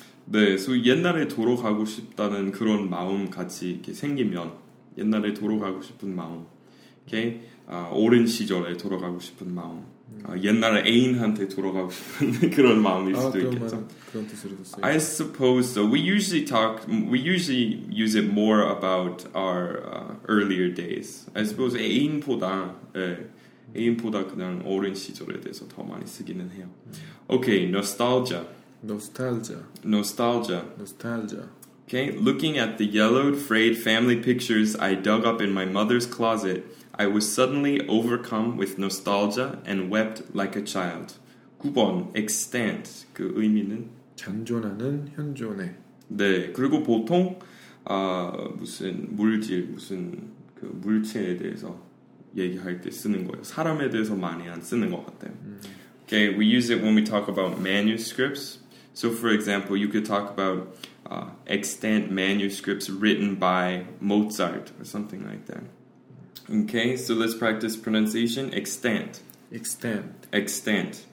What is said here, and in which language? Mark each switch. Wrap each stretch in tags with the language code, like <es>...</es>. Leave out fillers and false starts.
<ko>네, so 옛날에 돌아가고 싶다는 그런 마음 같이 이렇게 생기면 옛날에 돌아가고 싶은 마음.</ko> <en>Okay?</en> <ko>아, 오랜 시절에 돌아가고 싶은 마음. 옛날에 애인한테 돌아가고 싶은 그런 마음일 수도 그런 있겠죠. 그런 뜻으로도 써요.</ko> <en>I suppose so. We usually use it more about our earlier days. I suppose</en> <ko>애인보다, 네. 애인보다 그냥 오랜 시절에 대해서 더 많이 쓰기는 해요.</ko> <en>Okay, nostalgia. Nostalgia. Nostalgia. Nostalgia. Okay, looking at the yellowed, frayed family pictures I dug up in my mother's closet, I was suddenly overcome with nostalgia and wept like a child.</en> <ko>9번, extant. 그 의미는? 잔존하는 현존에. 네, 그리고 보통 무슨 물질, 무슨 그 물체에 대해서 얘기할 때 쓰는 거예요. 사람에 대해서 많이 안 쓰는 것 같아요.</ko> <en>Okay, we use it when we talk about manuscripts. So, for example, you could talk about extant manuscripts written by Mozart or something like that. Okay, so let's practice pronunciation. Extant. Extant. Extant.</en>